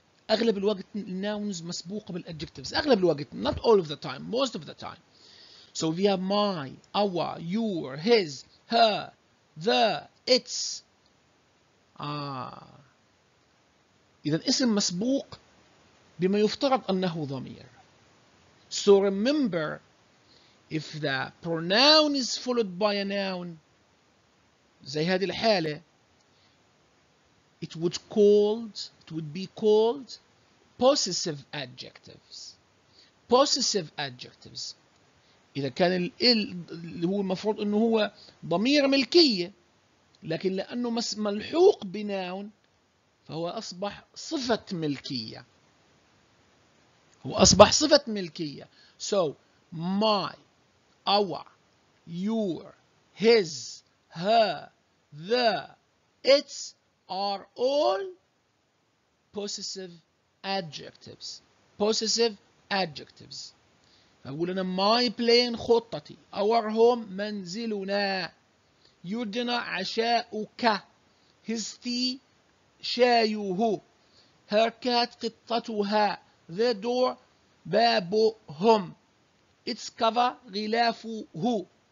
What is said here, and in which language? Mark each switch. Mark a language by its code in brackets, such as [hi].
[ar] أغلب الوقت nouns مسبوقة بالadjectives. أغلب الوقت, [en] not all of the time, most of the time. So we have my, our, your, his, her, the, its. [ar] إذا اسم مسبوق بما يفترض أنه ضمير. [en] So remember, if the pronoun is followed by a noun, [ar] زي هذه الحالة, [en] it would be called possessive adjectives. Possessive adjectives. [ar] إذا كان ال اللي هو المفروض إنه هو ضمير ملكية, لكن لأنه ملحوق بناون فهو أصبح صفة ملكية. هو أصبح صفة ملكية. [en] So my, our, your, his, her, the, its are all possessive adjectives. Possessive adjectives. [ar] فأقول أنا [en] my plane [ar] خطتي, [en] our home [ar] منزلنا, [en] your dinner [ar] عشاؤك, [en] his tea [ar] شايه, [en] her cat [ar] قطتها, [en] their door [ar] بابهم, [en] its cover [ar] غلافه.